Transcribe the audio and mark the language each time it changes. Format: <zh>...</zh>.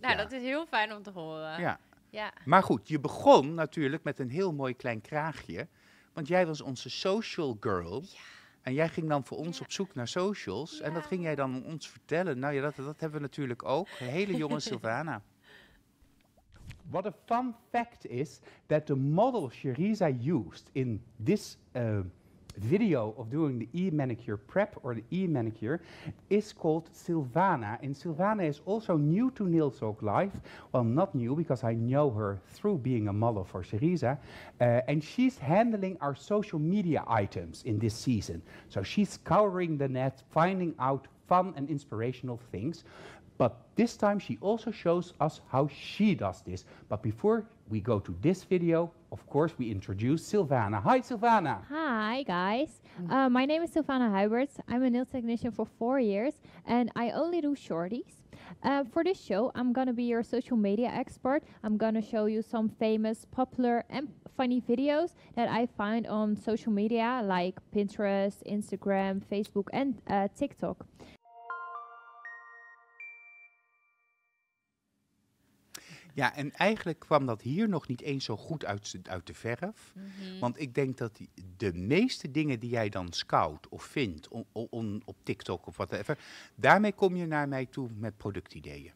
<nl>Nou, dat is heel fijn om te horen. Ja. Maar goed, je begon natuurlijk met een heel mooi klein kraagje. Want jij was onze social girl. Ja. En jij ging dan voor ons op zoek naar socials. Ja. En dat ging jij dan ons vertellen. Nou ja, dat hebben we natuurlijk ook. De hele jonge Sylvana.</nl> <en>What a fun fact is that the model Syriza used in this video of doing the e-manicure prep or the e-manicure is called Sylvana. And Sylvana is also new to Nails Talk Live. Well, not new because I know her through being a model for Syriza. And she's handling our social media items in this season. So she's scouring the net, finding out fun and inspirational things. But this time she also shows us how she does this. But before we go to this video, of course, we introduce Sylvana. Hi, Sylvana. Hi, guys. My name is Sylvana Huiberts. I'm a nail technician for 4 years, and I only do shorties. For this show, I'm going to be your social media expert. I'm going to show you some famous, popular, and funny videos that I find on social media, like Pinterest, Instagram, Facebook, and TikTok.</en> <nl>Ja, en eigenlijk kwam dat hier nog niet eens zo goed uit de verf. Mm-hmm. Want ik denk dat de meeste dingen die jij dan scout of vindt op TikTok of whatever, daarmee kom je naar mij toe met productideeën.</nl>